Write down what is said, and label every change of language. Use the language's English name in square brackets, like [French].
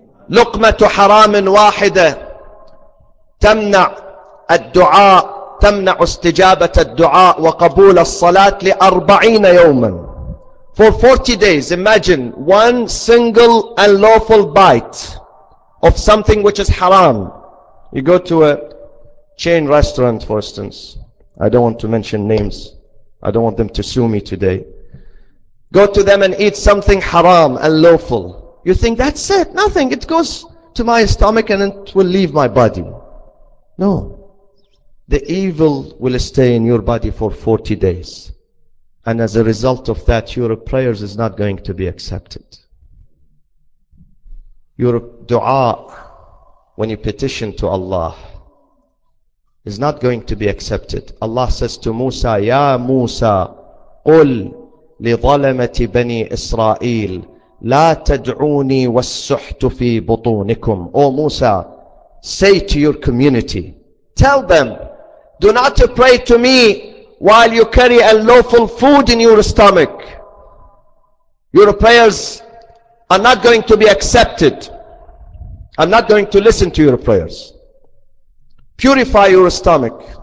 [Arabic] لُقْمَةُ حَرَامٍ وَاحِدَةٍ تَمْنَعُ الدُّعَاءِ تمنع استجابة الدعاء وقبول الصلاة لأربعين يوما. [English] For 40 days, imagine one single unlawful bite of something which is haram. You go to a chain restaurant, for instance. I don't want to mention names. I don't want them to sue me today. Go to them and eat something haram, unlawful. You think that's it, nothing. It goes to my stomach and it will leave my body. No. The evil will stay in your body for 40 days. And as a result of that, your prayers is not going to be accepted. Your dua, when you petition to Allah, is not going to be accepted. Allah says to Musa, [Arabic] Ya Musa, قُلْ لِظَلَمَةِ بَنِي إِسْرَائِيلِ لَا تَدْعُونِي وَالسُّحْتُ فِي بُطُونِكُمْ. [English] O Musa, say to your community, tell them, do not pray to me while you carry unlawful food in your stomach. Your prayers are not going to be accepted. I'm not going to listen to your prayers. Purify your stomach.